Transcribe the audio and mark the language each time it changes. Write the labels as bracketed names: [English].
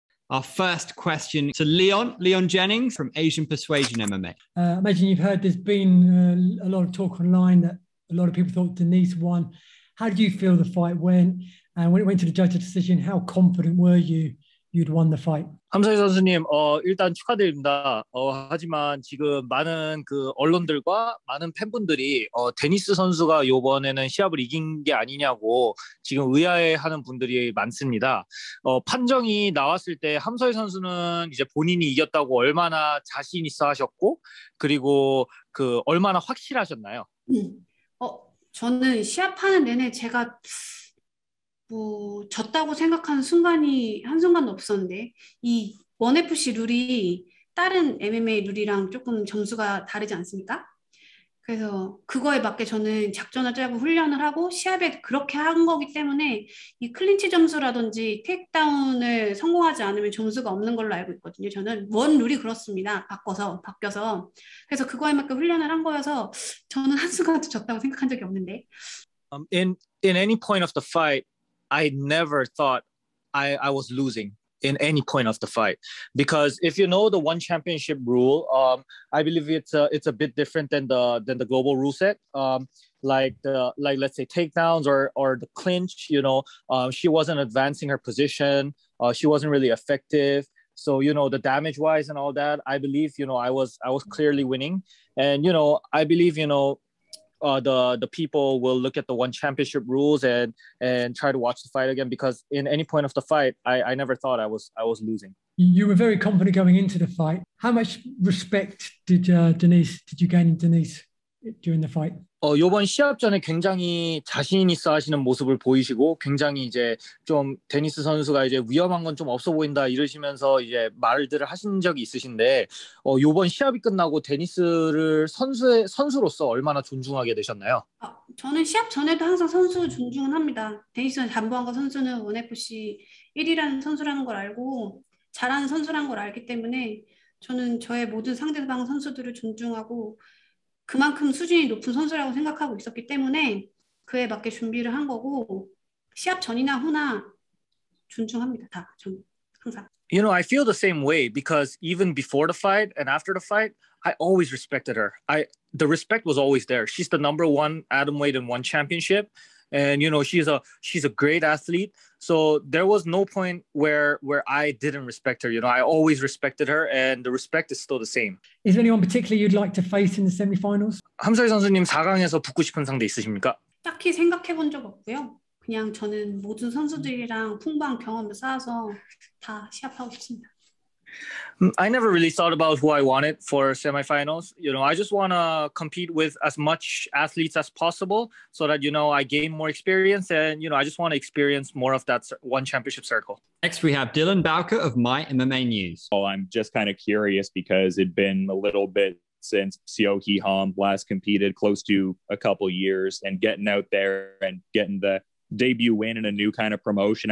[English] Our first question to Leon Jennings from Asian Persuasion MMA. Imagine you've heard there's been a lot of talk online that a lot of people thought Denice won. How did you feel the fight went? And when it went to the judge's decision, how confident were you you'd won the fight? [Korean] 함성희 선수님, 일단 축하드립니다. 하지만 지금 많은 그 언론들과 많은 팬분들이 데니스 선수가 이번에는 시합을 이긴 게 아니냐고 지금 의아해하는 분들이 많습니다. 판정이 나왔을 때 함성희 선수는 이제 본인이 이겼다고 얼마나 자신 있어 하셨고 그리고 그 얼마나 확실하셨나요? 저는 시합하는 내내 제가 뭐 졌다고 생각하는 순간이 한순간도 없었는데 이 1FC 룰이 다른 MMA 룰이랑 조금 점수가 다르지 않습니까? 그래서 그거에 맞게 저는 작전을 짜고 훈련을 하고 시합에 그렇게 한 거기 때문에 이 클린치 점수라든지 테이크다운을 성공하지 않으면 점수가 없는 걸로 알고 있거든요. 저는 원 룰이 그렇습니다. 바뀌어서. 그래서 그거에 맞게 훈련을 한 거여서 저는 한순간도 졌다고 생각한 적이 없는데 [English] In any point of the fight I never thought I was losing in any point of the fight. Because if you know the ONE Championship rule, I believe it's a bit different than the global rule set. Like let's say takedowns or the clinch, you know, she wasn't advancing her position. She wasn't really effective. So, you know, the damage wise and all that, I believe, you know, I was clearly winning. And, you know, I believe, you know, the people will look at the ONE Championship rules and try to watch the fight again because in any point of the fight, I never thought I was losing. You were very confident going into the fight. How much respect did you gain in Denice during the fight? [Korean] 이번 시합 전에 굉장히 자신 있어 하시는 모습을 보이시고 굉장히 이제 좀 데니스 선수가 이제 위험한 건 좀 없어 보인다 이러시면서 이제 말들을 하신 적이 있으신데 이번 시합이 끝나고 데니스를 선수로서 얼마나 존중하게 되셨나요? 저는 시합 전에도 항상 선수 존중은 합니다. 데니스 잠보안가 선수는 ONE FC 1위라는 선수라는 걸 알고 잘하는 선수라는 걸 알기 때문에 저는 저의 모든 상대방 선수들을 존중하고 그만큼 수준이 높은 선수라고 생각하고 있었기 때문에 그에 맞게 준비를 한 거고 시합 전이나 후나 존중합니다. 다 전 항상. [English] You know, I feel the same way because even before the fight and after the fight, I always respected her. The respect was always there. She's the number one atomweight in ONE Championship. And you know she's a great athlete. So there was no point where I didn't respect her. You know I always respected her, and the respect is still the same. Is there anyone particularly you'd like to face in the semifinals? [Korean] 함서희 선수님 4강에서 붙고 싶은 상대 있으십니까? 딱히 생각해본 적 없고요. 그냥 저는 모든 선수들이랑 풍부한 경험을 쌓아서 다 시합하고 싶습니다. [English] I never really thought about who I wanted for semifinals. You know, I just want to compete with as much athletes as possible so that, you know, I gain more experience and, you know, I just want to experience more of that ONE Championship circle. Next, we have Dylan Bowker of My MMA News. Oh, I'm just kind of curious because it'd been a little bit since Seo Hee last competed, close to a couple years, and getting out there and getting the debut win in a new kind of promotion.